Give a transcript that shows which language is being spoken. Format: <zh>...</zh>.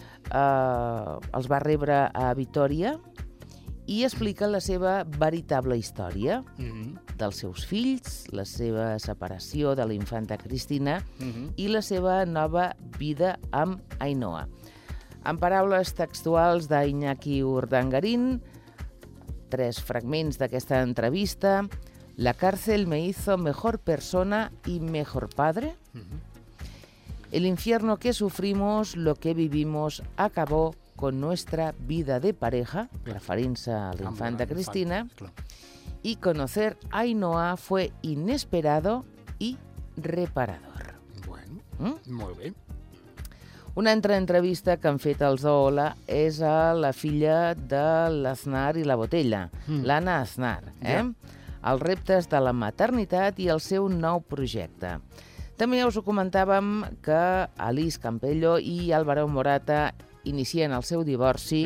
<ca>Els va rebre a Vitoria i explica la seva veritable història, dels seus fills, la seva separació de la infanta Cristina i la seva nova vida amb Ainhoa. En paraules textuals d'Iñaki Urdangarín, tres fragments d'aquesta entrevista:</ca> <es>la cárcel me hizo mejor persona y mejor padre. El infierno que sufrimos, lo que vivimos, acabó con nuestra vida de pareja,</es> <ca>referint-se a la infanta Cristina,</ca> <es>y conocer a Ainhoa fue inesperado y reparador.</es> <ca>Bueno, molt bé. Una altra entrevista que han fet els d'Hola és a la filla de l'Aznar i la Botella, l'Anna Aznar, Els reptes de la maternitat i el seu nou projecte. També ja us ho comentàvem que Alice Campello i Álvaro Morata inicien el seu divorci.</ca>